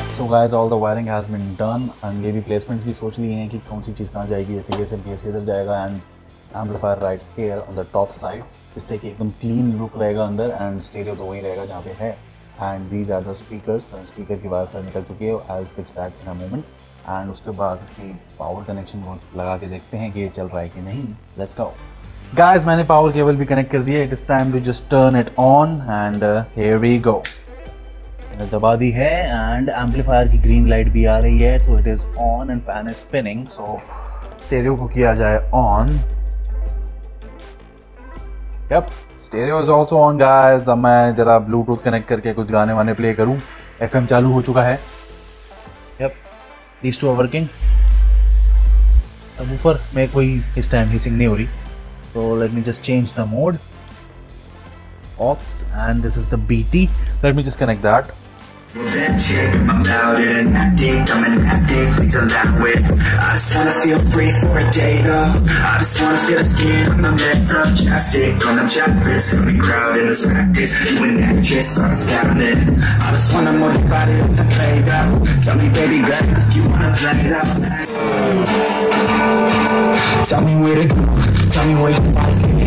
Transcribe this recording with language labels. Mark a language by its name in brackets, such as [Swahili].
[English] Guys, all the wiring has been done [Hindi] and ये भी placements भी सोच लिए हैं कि कौन सी चीज़ कहाँ जाएगी, जैसे कि SMPS किधर जाएगा [English] and amplifier right here on the top side, [Hindi] जिससे कि एकदम clean look रहेगा अंदर and stereo तो वहीं रहेगा जहाँ पे है. [English] And these are the speakers, [Hindi] तो speaker की wire फिर निकल चुकी है, [English] I'll fix that in a moment. [Hindi] And उसके बाद इसकी power connection को लगा के देखते हैं कि ये चल रहा है कि नहीं. [English] Let's go. Guys, [Hindi] मैंने power cable भी connect कर दिया, [English] it is time to just turn it on and here we go. [Hindi] दबा दी है [English] And amplifier की green light भी आ रही है, so it is on and fan is spinning. [Hindi] So stereo को किया जाए on. [English] Yup, stereo is also on guys. [Hindi] अब मैं जरा ब्लूटूथ कनेक्ट करके कुछ गाने वाने प्ले करूं. एफएम चालू हो चुका है. [English] Yup, this two are working. [Hindi] Subwoofer में कोई इस टाइम हिसिंग नहीं हो रही, [English] So let me just change the mode. Ops, and this is the BT. Let me just connect that. Tell me where to go, tell me where you like it.